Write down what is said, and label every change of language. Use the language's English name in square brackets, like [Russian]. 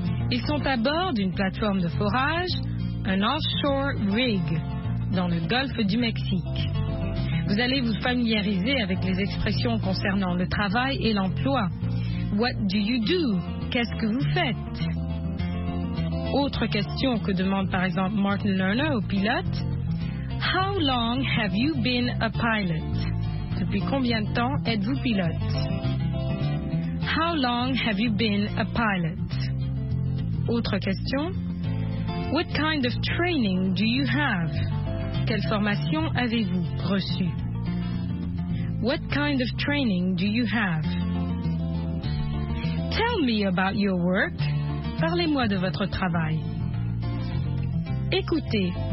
[French] Ils sont à bord d'une plateforme de forage, un offshore rig, dans le golfe du Mexique. Vous allez vous familiariser avec les expressions concernant le travail et l'emploi. [English] What do you do? [French] Qu'est-ce que vous faites? Autre question que demande par exemple Martin Lerner au pilote. [English] How long have you been a pilot? [French] Depuis combien de temps êtes-vous pilote? [English] How long have you been a pilot? [French] Autre question. [English] What kind of training do you have? [French] Quelle formation avez-vous reçue? [English] What kind of training do you have? Tell me about your work. [French] Parlez-moi de votre travail. Écoutez.